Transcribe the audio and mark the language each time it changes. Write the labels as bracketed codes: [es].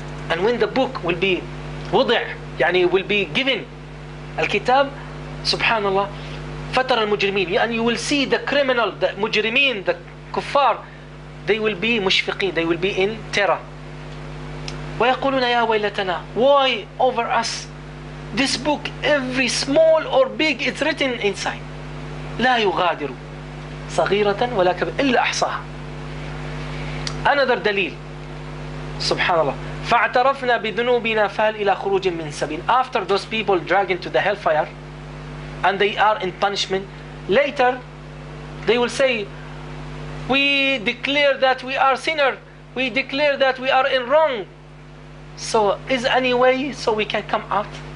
[en] And when the book will be وضع, يعني will be given الكتاب, سبحان الله, [ar] فترى المجرمين, [en] and you will see the criminal, the مجرمين, the كفار, they will be مشفقين, they will be in terror. [ar] ويقولون يا ويلتنا, [en] why over us? This book, every small or big, it's written inside. [ar] لا يغادر صغيرة ولا كبيرة إلا أحصاها. Another دليل, سبحان الله, فاعترفنا بذنوبنا فهل إلى خروج من سبيل. [en] After those people dragged into the hellfire and they are in punishment, later they will say, we declare that we are sinner, we declare that we are in wrong, so is any way so we can come out?